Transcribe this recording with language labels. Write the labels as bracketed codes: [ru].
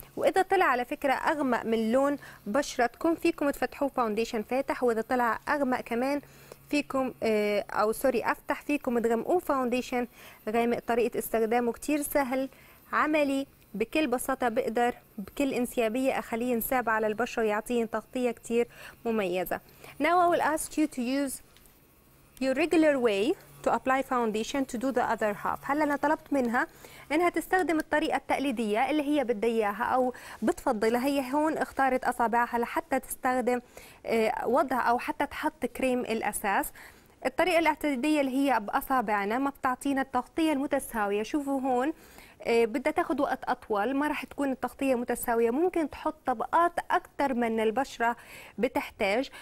[ar] وإذا طلع على فكرة أغمق من لون بشرتكم فيكم تفتحوا فاونديشن فاتح، وإذا طلع أغمق كمان فيكم أفتح فيكم تغمقوا فاونديشن غامق. طريقة استخدامه كتير سهل عملي بكل بساطة، بقدر بكل انسيابية أخليه ينساب على البشرة ويعطيه تغطية كتير مميزة. [en] Now I will ask you to use your regular way to apply foundation to do the other half. [ar] هلا أنا طلبت منها إنها تستخدم الطريقة التقليدية اللي هي بدها إياها أو بتفضلها، هي هون اختارت أصابعها لحتى تستخدم وضع أو حتى تحط كريم الأساس. الطريقة التقليدية اللي هي بأصابعنا ما بتعطينا التغطية المتساوية، شوفوا هون بدها تاخذ وقت اطول، ما راح تكون التغطيه متساويه، ممكن تحط طبقات اكثر من البشره بتحتاج.